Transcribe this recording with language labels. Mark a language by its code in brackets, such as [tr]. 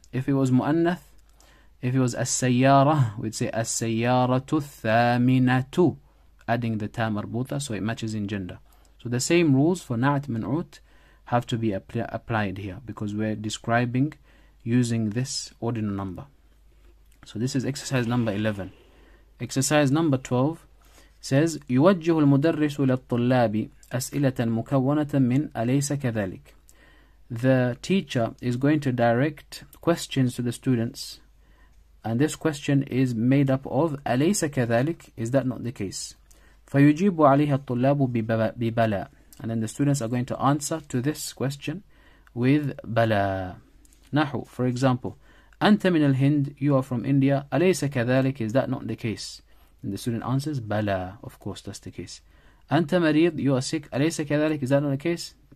[en] If it was mu'annath, if it was as-sayyara, we'd say as-sayyaratu thaminatu, adding the ta marbuta, so it matches in gender. So the same rules for na'at man'ut have to be applied here because we're describing using this ordinal number. So this is exercise number 11. Exercise number 12 says, [ar] يوجه المدرس للطلاب أسئلة مكونة من أليس كذلك. [en] The teacher is going to direct questions to the students And this question is made up of [ar] أليس كذلك? [en] Is that not the case? [ar] فيجيب عليها الطلاب ببلا. [en] And then the students are going to answer to this question with بلا. نحو, for example, [ar] أنت من الهند, [en] you are from India. [ar] أليس كذلك? [en] Is that not the case? And the student answers بلا. Of course, that's the case. [ar] أنت مريض, [en] you are sick. [ar] أليس كذلك? [en] Is that not the case?